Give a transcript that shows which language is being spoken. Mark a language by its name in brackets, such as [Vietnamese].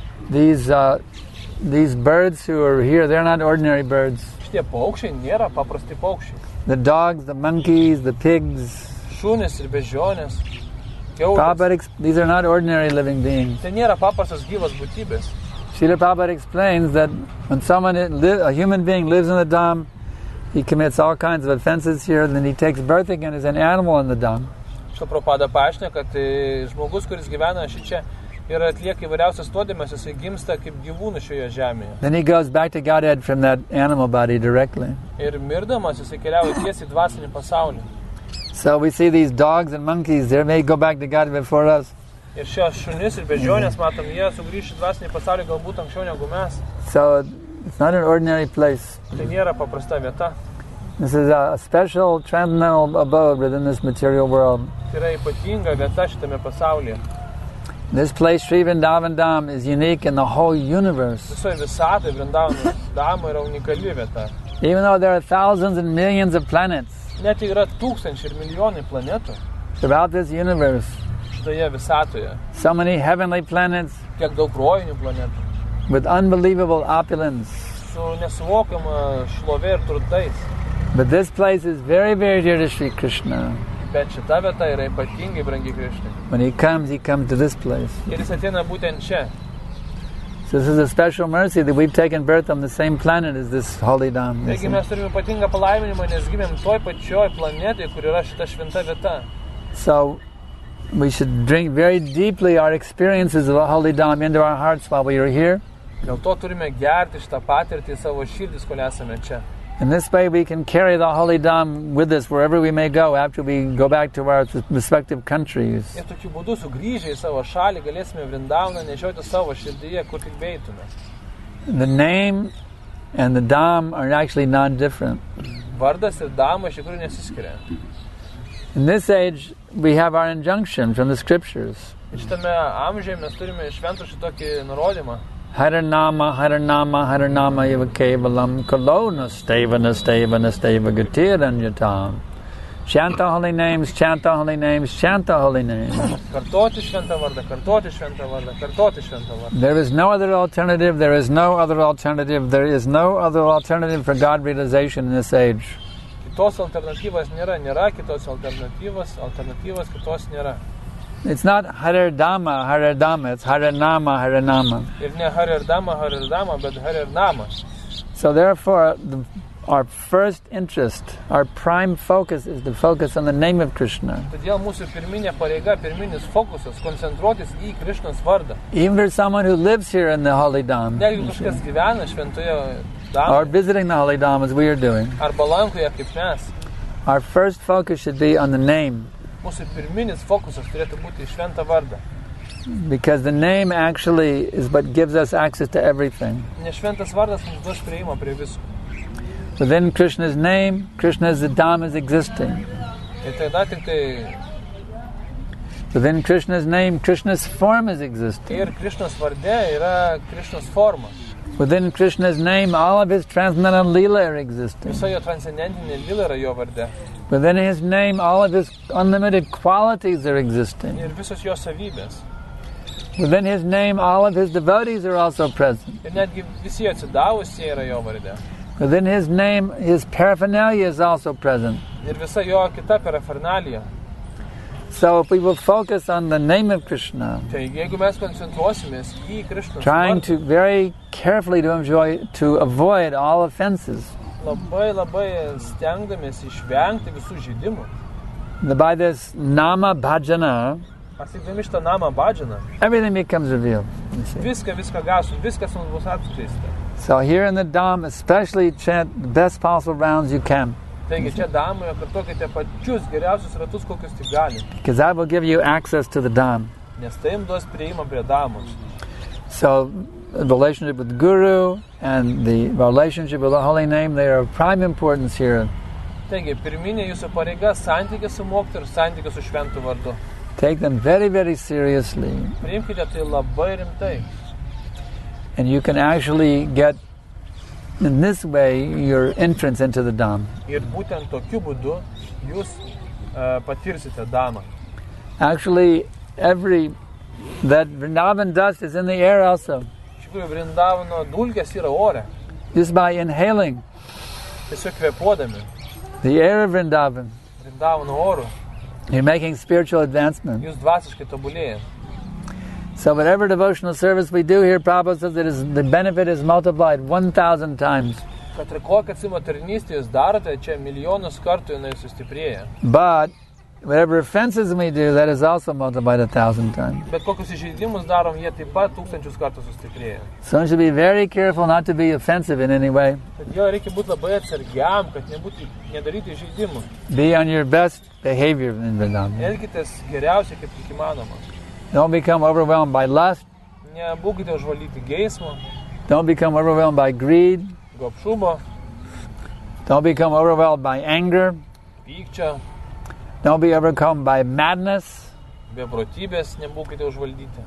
[English] These birds who are here, they're not ordinary birds. [Lithuanian] Šitie paukščiai nėra paprasti paukščiai. [English] The dogs, the monkeys, the pigs. [Lithuanian] Šunys ir bežionės. [English] These are not ordinary living beings. [Lithuanian] Tai nėra paprastas gyvas būtybės. [English] Srila Prabhupada explains that when a human being lives in the dham, he commits all kinds of offenses here, and then he takes birth again as an animal in the dham. [Lithuanian] Šio Prabhupada paaiškina, kad žmogus, kuris gyvena šičia, ir atlieka įvairiausias nuodėmes, jisai gimsta kaip gyvūnas šioje žemėje. [English] Then he goes back to Godhead from that animal body directly. [Lithuanian] Ir mirdamas, jisai keliauja tiesiai į dvasinį pasaulį. [English] So we see these dogs and monkeys, they may go back to God before us. [Lithuanian] Ir šios šunys ir beždžionės, matom, jie sugrįš į dvasinį pasaulį galbūt anksčiau negu mes. [English] So it's not an ordinary place. [Lithuanian] Tai nėra paprasta vieta. [English] This is a special transcendental abode within this material world. [Lithuanian] Tai yra ypatinga vieta šitame pasaulyje. [English] This place, Sri Vrindavan Dham, is unique in the whole universe. [Lithuanian] Visoje visatoje Vrindavan Dham yra unikali vieta. [English] Even though there are thousands and millions of planets. [Lithuanian] Net yra tūkstančiai ir milijonai planetų. [English] Throughout this universe. [Lithuanian] Šitoje visatoje. [English] So many heavenly planets. [Lithuanian] Kiek daug rojinių planetų. [English] With unbelievable opulence. [Lithuanian] Su nesuvokiama šlove ir turtais. [English] But this place is very, very dear to Sri Krishna. [Lithuanian] Bet šita vieta yra ypatingai brangi Krishna. [English] When he comes to this place. [Lithuanian] Ir jis ateina būtent čia. [English] So this is a special mercy that we've taken birth on the same planet as this holy dham. [Lithuanian] Taigi mes turime ypatingą palaiminimą, nes gimėm toj pačioj planetai, kur yra šita šventa vieta. [English] So we should drink very deeply our experiences of a holy dham into our hearts while we are here. [Lithuanian] Dėl to turime gerti šitą patirtį savo širdis, kol esame čia. [English] In this way we can carry the holy dham with us wherever we may go after we go back to our respective countries. [Lithuanian] Ir tokiu būdu sugrįžę į savo šalį galėsime Vrindavaną nešioti savo širdyje, kur tik beitume. [English] The name and the dham are actually non-different. [Lithuanian] Vardas ir dhamma iš tikrųjų nesiskiria. [English] In this age we have our injunction from the scriptures. [Lithuanian] Šitame amžiuje mes turime šventų šitokį nurodymą. [Sanskrit] Haranama, Haranama, Haranama, Iva Kevalam, Kolona, Stavana, Stavana, Stavana, Gatiranjatam. [English] Chant the holy names, chant the holy names, chant the holy names. [Lithuanian] Kartoti šventą vardą, kartoti šventą vardą, kartoti šventą vardą. [English] There is no other alternative, there is no other alternative, there is no other alternative for God realization in this age. [Lithuanian] Kitos alternatyvos nėra, nėra kitos alternatyvos, alternatyvos kitos nėra. [English] It's not Haridama, Haridama, it's Haranama, Haranama. [Lithuanian] Ir ne Haridama, Haridama, [English] but [Lithuanian] Haranama. [English] So therefore, our first interest, our prime focus is to focus on the name of Krishna. [Lithuanian] Todėl mūsų pirminė pareiga, pirminis fokusas, koncentruotis į Krishnas vardą. [English] Even for someone who lives here in the Holy Dham. [Lithuanian] Netgi kažkas gyvena šventoje Dham. [English] Or visiting the Holy Dham as we are doing. [Lithuanian] Arba lankoje kaip mes. [English] Our first focus should be on the name. [Lithuanian] Mūsų pirminis fokusas turėtų būti šventą vardą. [English] Because the name actually is what gives us access to everything. [Lithuanian] Nes šventas vardas mums duos prieimą prie visko. [English] Within Krishna's name, Krishna's dham is existing. [Lithuanian] Ir tada tik tai... [English] Within Krishna's name, Krishna's form is existing. [Lithuanian] Ir Krishna's varde yra Krishna's forma. [English] Within Krishna's name, all of his transcendental lila are existing. [Lithuanian] Visa jo transcendentinė lila yra jo varde. [English] Within his name, all of his unlimited qualities are existing. [Lithuanian] Ir visos jo savybės. [English] Within his name, all of his devotees are also present. [Lithuanian] Ir netgi visi atsidavusi yra jo varde. [English] Within his name, his paraphernalia is also present. [Lithuanian] Ir visa jo kita paraphernalia. [English] So if we will focus on the name of Krishna, [Lithuanian] taigi, jeigu mes koncentruosimės į Krishna's [English] trying to very carefully to avoid all offenses, [Lithuanian] labai, labai stengdamiesi išvengti visų žaidimų. [English] By this nama bhajana, [Lithuanian] pasikdami šitą nama bhajana, [English] everything becomes revealed. [Lithuanian] Viskas mums bus atskleista. [English] So here in the dham, especially chant the best possible rounds you can. [Lithuanian] Taigi čia dhamoje kartokite pačius geriausius ratus, kokius tik gali. [English] Because that will give you access to the dham. [Lithuanian] Nes tai jums duos prieimą prie dhamos. [English] So the relationship with the guru and the relationship with the holy name, they are of prime importance here. [Lithuanian] Taigi, pirminė jūsų pareiga santykis su moktu ir santykis su šventu vardu. [English] Take them very, very seriously. [Lithuanian] Priimkite tai labai rimtai. [English] And you can actually get in this way your entrance into the dham. [Lithuanian] Ir būtent tokiu būdu jūs patirsite dhamą. [English] Actually, every that Vrindavan dust is in the air also. [Lithuanian] Vrindavano dulkės yra ore. [English] Just by inhaling. [Lithuanian] Tiesiog kvepuodami. [English] The air of Vrindavan. [Lithuanian] Vrindavano oru. [English] You're making spiritual advancement. [Lithuanian] Jūs dvasiškai tobulėjate. [English] So whatever devotional service we do here, Prabhupada says it is, the benefit is multiplied 1,000 times. But whatever offenses we do, that is also multiplied 1,000 times. [Lithuanian] Bet kokius įžeidimus darom, jie taip pat 1,000 kartų sustiprėja. [English] So one should be very careful not to be offensive in any way. [Lithuanian] Jo reikia būti labai atsargiam, kad nebūti, nedaryti įžeidimų. [English] Be on your best behavior in Vrindavan. [Lithuanian] Elgitės geriausiai, kaip tik įmanoma. [English] Don't become overwhelmed by lust. [Lithuanian] Nebūkite užvalyti geismo. [English] Don't become overwhelmed by greed. [Lithuanian] Gopšumo. [English] Don't become overwhelmed by anger. [Lithuanian] Pykčio. [English] Don't be overcome by madness. [Lithuanian] Beprotybės nebūkite užvaldyti.